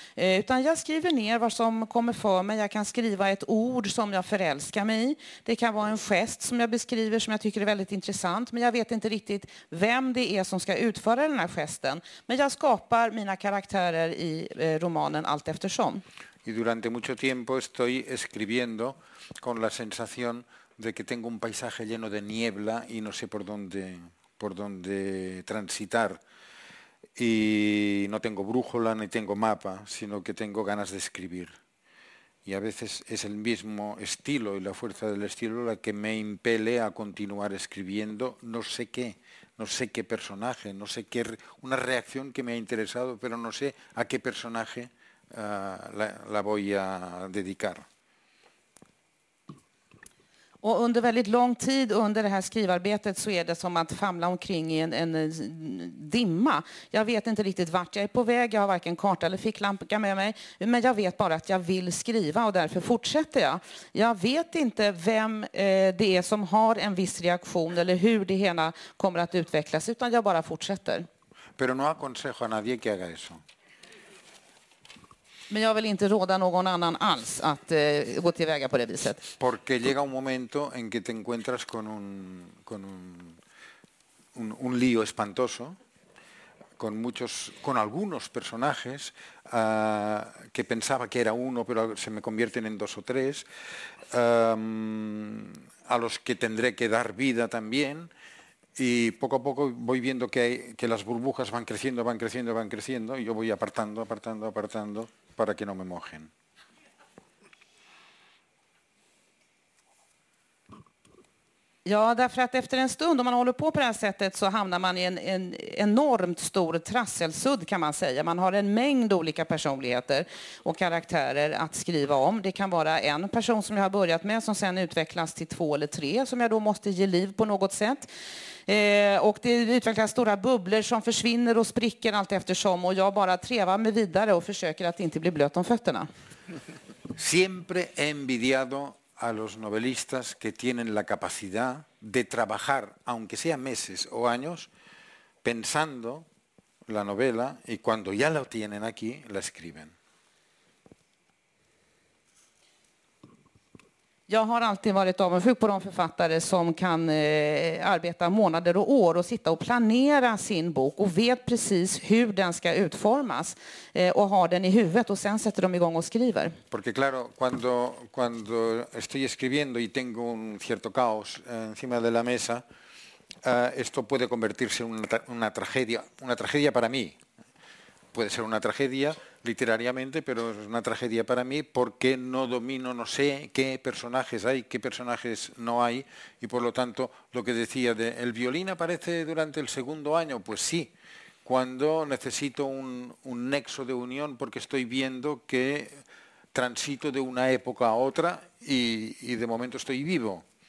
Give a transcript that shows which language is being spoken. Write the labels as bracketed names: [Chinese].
[Swedish] Utan jag skriver ner vad som kommer för mig. Jag kan skriva ett ord som jag förälskar mig i. Det kan vara en gest som jag beskriver som jag tycker är väldigt intressant. Men jag vet inte riktigt vem det är som ska utföra den här gesten. Men jag skapar mina karaktärer i romanen allt eftersom. [Spanish] Y durante mucho tiempo estoy escribiendo con la sensación de que tengo un paisaje lleno de niebla y no sé por dónde transitar. Y no tengo brújula ni tengo mapa, sino que tengo ganas de escribir. Y a veces es el mismo estilo y la fuerza del estilo la que me impele a continuar escribiendo no sé qué, no sé qué personaje, no sé qué, una reacción que me ha interesado, pero no sé a qué personaje la voy a dedicar. [Swedish] Och under väldigt lång tid under det här skrivarbetet så är det som att famla omkring i en dimma. Jag vet inte riktigt vart jag är på väg. Jag har varken karta eller ficklampa med mig. Men jag vet bara att jag vill skriva och därför fortsätter jag. Jag vet inte vem det är som har en viss reaktion eller hur det hela kommer att utvecklas, utan jag bara fortsätter. [Spanish] Pero no aconsejo a nadie que haga eso. [Swedish] Men jag vill inte råda någon annan alls att gå tillväga på det viset. [Spanish] Porque llega un momento en que te encuentras con un lío espantoso con algunos personajes que pensaba que era uno, pero se me convierten en dos o tres, a los que tendré que dar vida también. Y poco a poco voy viendo que las burbujas van creciendo, y yo voy apartando para que no me mojen. [Swedish] Ja, därför att efter en stund, om man håller på det här sättet, så hamnar man i en enormt stor trasselsudd, kan man säga. Man har en mängd olika personligheter och karaktärer att skriva om. Det kan vara en person som jag har börjat med som sen utvecklas till två eller tre som jag då måste ge liv på något sätt. Och det utvecklas stora bubblor som försvinner och spricker allt eftersom, och jag bara trevar mig vidare och försöker att inte bli blöt om fötterna. [Spanish] Siempre envidiado a los novelistas que tienen la capacidad de trabajar, aunque sea meses o años, pensando la novela y cuando ya la tienen aquí, la escriben. [Swedish] Jag har alltid varit avundsjuk på de författare som kan arbeta månader och år och sitta och planera sin bok och vet precis hur den ska utformas och har den i huvudet och sen sätter de igång och skriver. [Spanish] Porque claro, cuando estoy escribiendo y tengo un cierto caos encima de la mesa, esto puede convertirse en una tragedia para mí. Puede ser una tragedia literariamente, pero es una tragedia para mí porque no domino, no sé qué personajes hay, qué personajes no hay, y por lo tanto lo que decía de el violín aparece durante el segundo año, pues sí, cuando necesito un nexo de unión porque estoy viendo que transito de una época a otra y de momento estoy vivo.